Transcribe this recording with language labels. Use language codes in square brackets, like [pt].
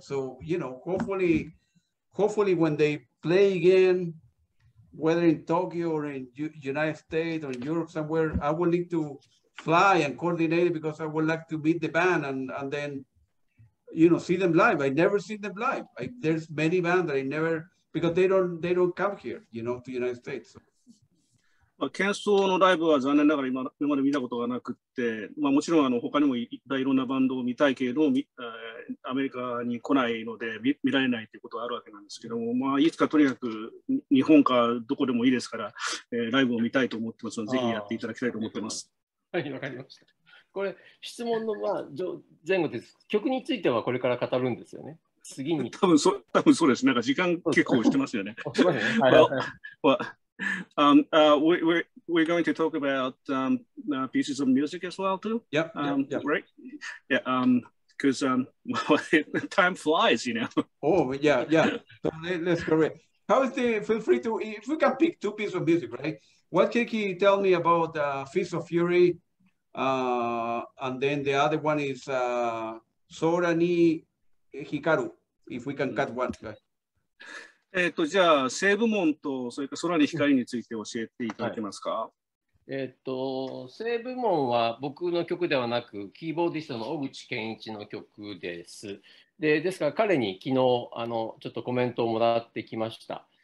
[en] So, you know, hopefully when they play again, whether in Tokyo or in United States or in Europe somewhere, I will need to fly and coordinate because I would like to meet the band and then, you know, see them live. I never seen them live. There's many bands that I never, because they don't come here, you know, to the United States. So. [ja] まあ、Kenso のライブは残念ながら今まで見たことがなくって、まあ、もちろんあの他にもいろんなバンドを見たいけれど、アメリカに来ないので見られないということはあるわけなんですけども、まあ、いつかとにかく日本かどこでもいいですから、ライブを見たいと思ってますので、ぜひやっていただきたいと思ってます。はい、わかりました。これ、質問の、まあ、前後です。曲についてはこれから語るんですよね。次に。多分そうです。なんか時間結構してますよね。そうですね。はい。 [en] Well, we're going to talk about pieces of music as well, too. Yeah, yeah. Right? Yeah, because time flies, you know. Oh, yeah, yeah. So, let's go ahead. Feel free to, if we can pick 2 pieces of music, right? What can you tell me about Fist of Fury? And then the other one is Sora ni Hikaru, if we can cut one. [ja] じゃあ、西部門とそれから空に光について教えていただけますか。声部門は僕の曲ではなくキーボーディストの小口健一の曲です。で、ですから彼に昨日ちょっとコメントをもらってきました。